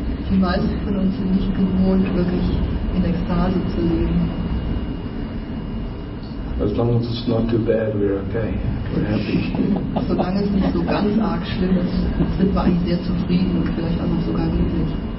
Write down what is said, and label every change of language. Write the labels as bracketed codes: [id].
[de] Die meisten von uns sind nicht gewohnt, wirklich in Ekstase zu leben. [en] As long as it's not too bad, we're okay. We're happy. [de] Solange es nicht so ganz arg schlimm ist, sind wir eigentlich sehr zufrieden und vielleicht auch noch sogar glücklich.